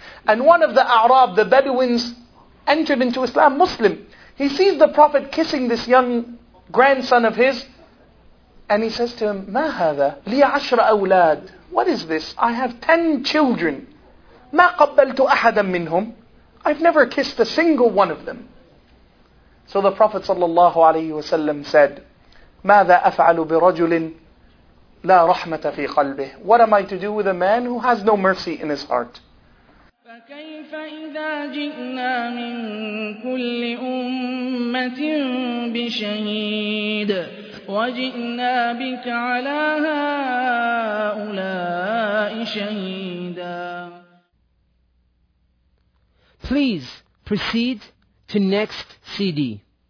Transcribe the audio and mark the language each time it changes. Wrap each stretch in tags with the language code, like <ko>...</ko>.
<en>And one of the A'rab, the Bedouins, entered into Islam, Muslim. He sees the Prophet kissing this young grandson of his and he says to him,</en> <ar>ما هذا؟ لي عشر أولاد.</ar> <en>What is this? I have 10 children.</en> <ar>ما قبلت أحدا منهم.</ar> <en>I've never kissed a single one of them. So the Prophet ﷺ said,</en> <ar>ماذا أفعل برجل لا رحمة في قلبه.</ar> <en>What am I to do with a man who has no mercy in his heart?</en> <ar>فكيف إذا جئنا من كل أمة بشهيد وجئنا بك على هؤلاء شهيدا.</ar> <en>Please proceed to next CD.</en>